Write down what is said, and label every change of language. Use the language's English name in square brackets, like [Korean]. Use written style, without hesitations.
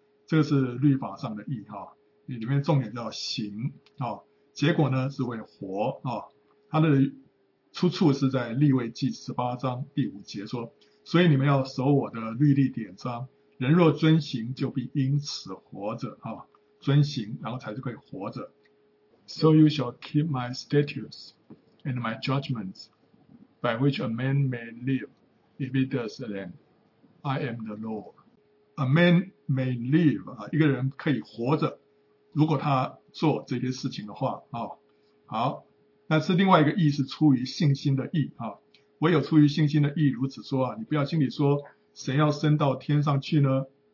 [Chinese] 这个是律法上的义啊，里面重点叫行啊，结果呢是为活啊。它的出处是在利未记十八章第五节说，所以你们要守我的律例典章，人若遵行，就必因此活着啊，遵行然后才是可以活着。 [English] So you shall keep my statutes. And my judgments, by which a man may live, if he does them, I am the Lord. A man may live, [Chinese] 一个人可以活着，如果他做这些事情的话，好，那是另外一个义，是出于信心的义，唯有出于信心的义如此说，你不要心里说，谁要升到天上去呢？